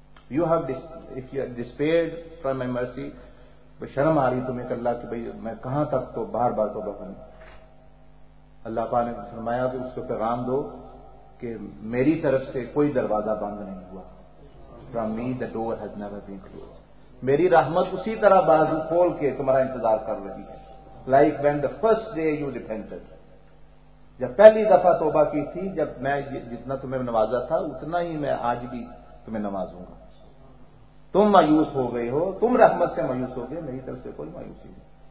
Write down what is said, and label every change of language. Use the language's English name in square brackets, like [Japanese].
[English] you have if you disappeared from my mercy, [Urdu] شرم آ رہی تمہیں کہ اللہ کہ بھائی میں کہاں تک تو بار بار تو بہن. اللہ پاک نے فرمایا کہ اس کو پیغام دو کہ میری طرف سے کوئی دروازہ بند نہیں ہوا. [English] From me the door has never been closed. [Urdu] میری رحمت اسی طرح بازو کھول کے تمہارا انتظار کر رہی ہے. [English] Like when the first day you repented. [Urdu] جب پہلی دفعہ توبہ کی تھی, جب میں جتنا تمہیں نوازا تھا اتنا ہی میں آج بھی تمہیں نوازوں گا. تم مایوس ہو گئے ہو, تم رحمت سے مایوس ہو گئے, میری طرف سے کوئی مایوسی نہیں.